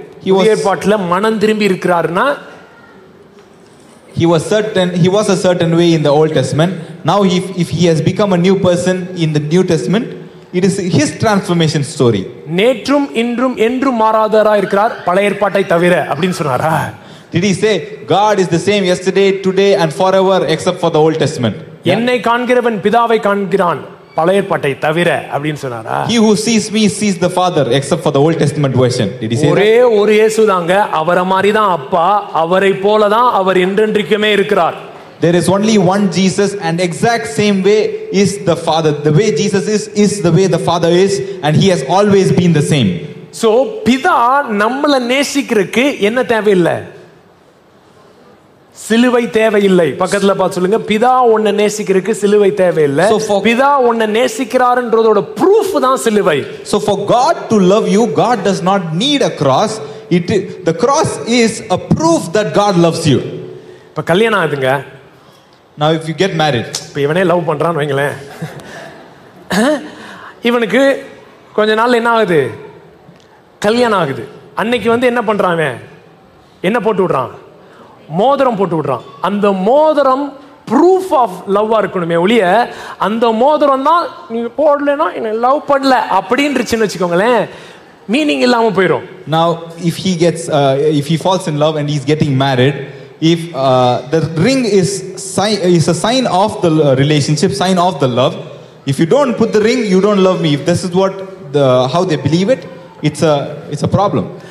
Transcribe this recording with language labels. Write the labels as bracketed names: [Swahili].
[Tamil] புதிய ஏற்பாட்டில் மனம் திரும்பி இருக்கிறார்னா [English] he was a certain way in the Old Testament. Now if he has become a new person in the New Testament, it is his transformation story. [Tamil] நேற்றும் இன்றும் என்றும் மாறாதவரா இருக்கிறார் பழைய ஏற்பாட்டை தவிர அப்படின்னு சொன்னாரா? [English] Did he say God is the same yesterday today and forever except for the Old Testament? [Tamil] என்னை காண்கிறவன் பிதாவை காண்கிறான் பழைய ஏற்பாட்டை தவிர அப்படினு சொன்னாரா? [English] He who sees me sees the Father except for the Old Testament version. Did he say [Tamil] ஒரே ஒரு இயேசு தாங்க அவரே மாதிரி தான் அப்பா அவரை போல தான் அவர் என்றென்றுக்குமே இருக்கிறார். [English] There is only one Jesus and exact same way is the Father. The way Jesus is the way the Father is and he has always been the same. [Tamil] So பிதா நம்மள நேசிக்கிறதுக்கு என்ன தேவை இல்ல? சிலுவை தேவையில்லை. பக்கத்துல பாத்து சொல்லுங்க பிதா உன்னை நேசிக்கிறதுக்கு சிலுவை தேவையில்லை. பிதா உன்னை நேசிக்கிறார்ன்றதோட ப்ரூஃப் தான் சிலுவை. [English] So for God to love you, God does not need a cross. The cross is a proof that God loves you. [Tamil] இப்ப கல்யாணம் ஆகுதுங்க. [English] Now if you get married. [Tamil] இப்ப இவனே லவ் பண்றான்னு வைங்களேன். இவனுக்கு கொஞ்ச நாள் என்ன ஆகுது? கல்யாணம் ஆகுது. அன்னைக்கு வந்து என்ன பண்றான்? என்ன போட்டு விடுறான்? மோதிரம் போட்டு விடுறான். அந்த மோதிரம் ப்ரூஃப் ஆஃப் லவ்வா இருக்கணுமே ஒழிய அந்த மோதிரம் தான் நீங்க போடலன்னா என்ன லவ் பண்ணல அப்படின்னு வச்சுக்கோங்களேன் மீனிங் இல்லாம போயிடும். [English] Now if he gets if he falls in love and he's getting married, if the ring is a sign of the relationship, sign of the love, if you don't put the ring you don't love me, if this is what the how they believe it, it's a problem.